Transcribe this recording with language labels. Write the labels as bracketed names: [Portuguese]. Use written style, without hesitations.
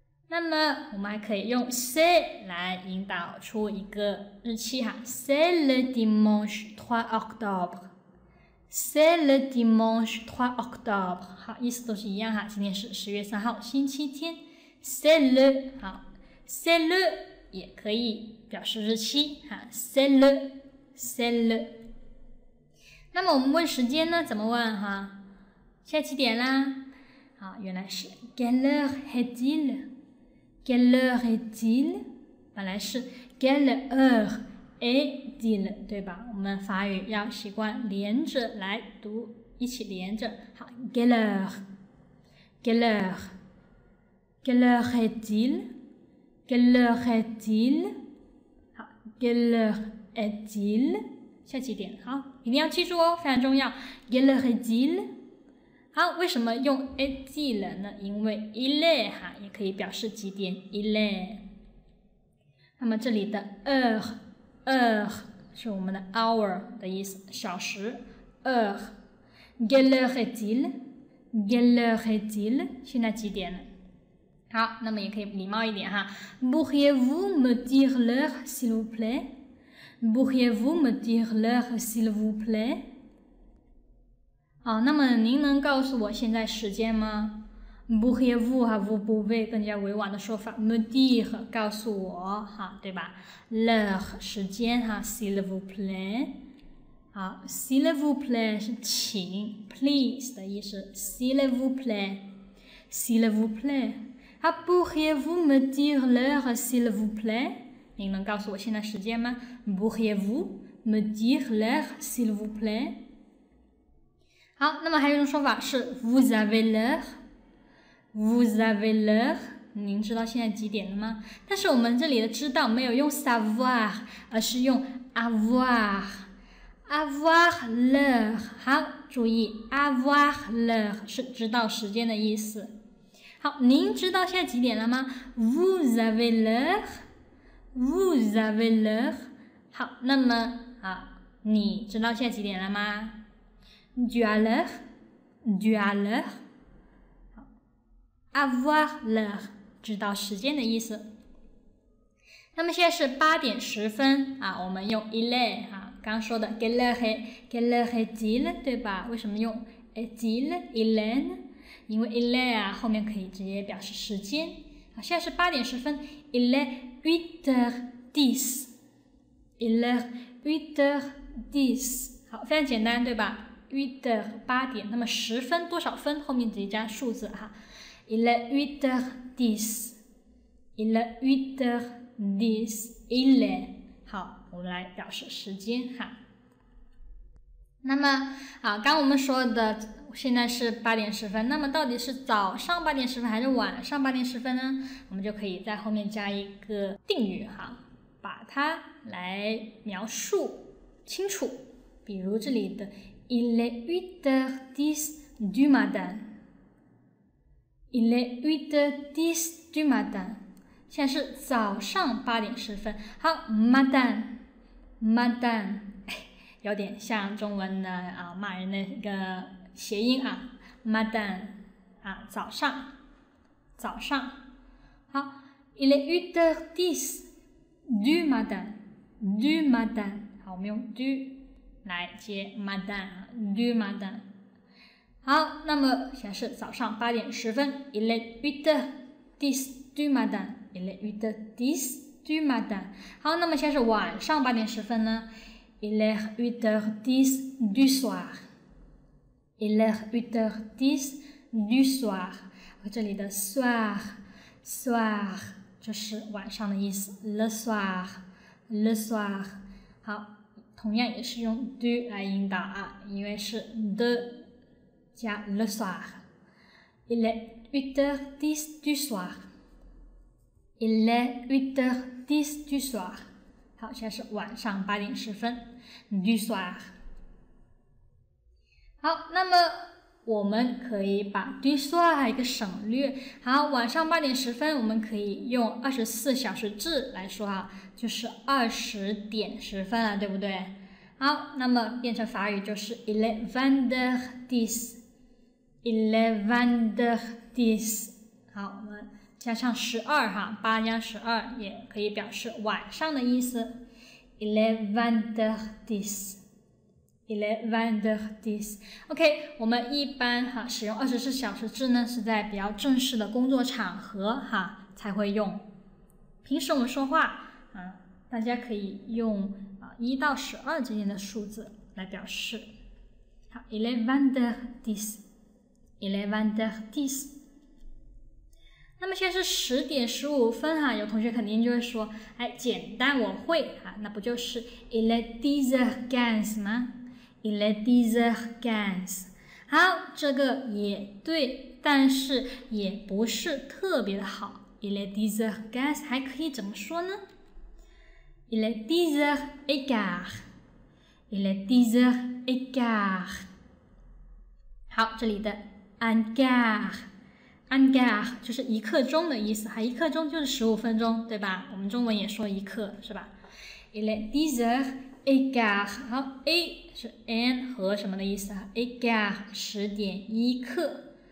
[Chinese] 那么我们还可以用 c 来引导出一个日期哈 ， [French] c'est le dimanche 3 octobre， c'est le [Chinese] dimanche 3 octobre， 好，意思都是一样哈，今天是10月3号，星期天 ，c'est le， 好 ，c'est le 也可以表示日期哈 ，c'est le，c'est le。那么我们问时间呢，怎么问哈？现在几点啦？好，原来是 [French] quelle heure est-il？ Quelle heure est-il？ [Chinese] 本来是 [French] Quelle heure est-il？ [Chinese] 对吧？我们法语要习惯连着来读，一起连着。好 ， [French] Quelle heure？ Quelle heure？ Quelle heure est-il？ Quelle heure est-il？好 ，Quelle heure est-il？ [Chinese] 下几点？好，一定要记住哦，非常重要。 [French] Quelle heure est-il？ [Chinese] 好，为什么用 [French] est-il [Chinese] 呢？因为 [French] il est [Chinese] 哈也可以表示几点 il est。那么这里的 heure 是我们的 hour 的意思，小时 heure。 [French] Quelle heure est-il？Quelle heure est-il？ [Chinese] 现在几点了？好，那么也可以礼貌一点哈。 [French] Pourriez-vous me dire l'heure, s'il vous plaît? Pourriez-vous me dire l'heure, s'il vous plaît? [Chinese] 好，那么您能告诉我现在时间吗？ [French] Pourriez-vous 哈 ，vous pouvez [Chinese] 更加委婉的说法 [French] ，me dire [Chinese] 告诉我哈，对吧 [French] ？l'heure 时间哈 ，s'il vous plaît， 好 ，s'il vous plaît 是请 ，please 的意思 ，s'il vous plaît，s'il vous plaît，ah pourriez-vous me dire l'heure s'il vous plaît？ [Chinese] 您能告诉我现在时间吗 [French] ？Pourriez-vous me dire l'heure s'il vous plaît？ [Chinese] 好，那么还有一种说法是 ， [French] vous avez l'heure。 Vous avez l'heure? [Chinese] 您知道现在几点了吗？但是我们这里的知道没有用 savoir， 而是用 avoir。 Avoir l'heure， 好，注意 [French] avoir l'heure [Chinese] 是知道时间的意思。好，您知道现在几点了吗 ？ [French] Vous avez l'heure? Vous avez l'heure? [Chinese] 好，那么好，你知道现在几点了吗 ？ [French] Tu as l'heure? Tu as l'heure? Avoir l'heure， [Chinese] 知道时间的意思。那么现在是八点十分啊，我们用 [French] il est [Chinese] 啊，刚刚说的 [French] quelle heure quelle heure est-il [Chinese] 对吧？为什么用 [French] est-il il est？ [Chinese] 因为 [French] il est [Chinese] 啊后面可以直接表示时间。好，现在是八点十分 [French] ，il est huit heures dix， il est huit heures dix。 [Chinese] 好，非常简单对吧 ？ [French] huit heures [Chinese] 八点，那么十分多少分？后面直接加数字哈。 [French] Il est huit heures dix. Il est huit heures dix. Il est. [Chinese] 好，我们来表示时间哈。那么，好，刚我们说的现在是八点十分，那么到底是早上八点十分还是晚上八点十分呢？我们就可以在后面加一个定语哈，把它来描述清楚。比如这里的 [French] Il est huit heures dix du matin. Il est huit heures dix du matin. [Chinese] 现在是早上八点十分。好 ，madame，madame， 有点像中文的啊骂人的一个谐音啊 ，madame 啊，早上，早上。好 [French] ，il est huit heures dix du matin，du matin。 [Chinese] 好，我们用 du 来接 madame， [French] du matin。 [Chinese] 好，那么显示早上八点十分 [French] ，il est huit dix du matin，il est huit dix du matin。 [Chinese] 好，那么显示晚上八点十分呢 [French] ，il est huit dix du soir，il est huit dix du soir。 [Chinese] 这里的 soir 就是晚上的意思 ， [French] le soir，le soir。 [Chinese] 好，同样也是用 du 来引导啊，因为是 de。加 [French] le soir， il est huit heures dix du soir， il est huit heures dix du soir。 [Chinese] 好，现在是晚上八点十分 ， [French] du soir。 [Chinese] 好，那么我们可以把 [French] du soir [Chinese] 一个省略。好，晚上八点十分，我们可以用二十四小时制来说啊，就是二十点十分了，对不对？好，那么变成法语就是 [French] il est vingt heures dix。 Il est vingt heures dix。 [Chinese] 好，我们加上十二哈，八加十二也可以表示晚上的意思。 [French] Il est vingt heures dix。Il est vingt heures dix。 [English] OK， [Chinese] 我们一般哈使用二十四小时制呢，是在比较正式的工作场合哈才会用。平时我们说话啊，大家可以用啊一到十二之间的数字来表示。 [French] 好 ，Il est vingt heures dix。Il est vingt heures dix。 [Chinese] 那么现在是十点十五分哈，有同学肯定就会说，哎，简单，我会哈，那不就是 [French] il est dix heures quinze [Chinese] 吗 ？ [French] Il est dix heures quinze。 [Chinese] 好，这个也对，但是也不是特别的好。 [French] Il est dix heures quinze [Chinese] 还可以怎么说呢 [French] ？Il est dix heures et quart。 Il est dix heures et quart。 [Chinese] 好，这里的。 un quart， un quart 就是一刻钟的意思，还一刻钟就是十五分钟，对吧？我们中文也说一刻，是吧 ？ [French] Il est dix heures et quart， [Chinese] 好 ，a 是 an 和什么的意思 ？ [French] et quart [Chinese] 十点一刻，